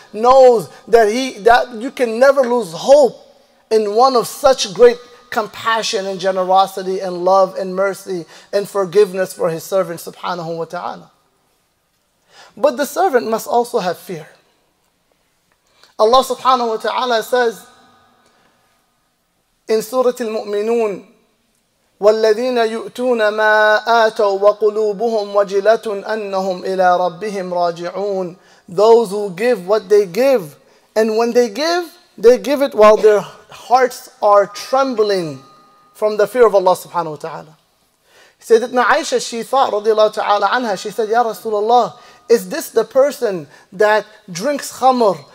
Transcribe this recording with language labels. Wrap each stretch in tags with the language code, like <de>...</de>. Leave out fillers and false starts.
<en>Knows that you can never lose hope in one of such great compassion and generosity and love and mercy and forgiveness for his servant subhanahu wa ta'ala. But the servant must also have fear. Allah subhanahu wa ta'ala says in Surah Al-Mu'minun,</en> <ar>وَالَّذِينَ يُؤْتُونَ مَا آتَوا وَقُلُوبُهُمْ وَجِلَةٌ أَنَّهُمْ إِلَىٰ رَبِّهِمْ رَاجِعُونَ.</ar> <en>Those who give what they give, and when they give it while their hearts are trembling from the fear of Allah subhanahu wa ta'ala. Sayyidatina Aisha, she thought, radiallahu ta'ala anha, she said, Ya Rasulullah, is this the person that drinks khamr?</en>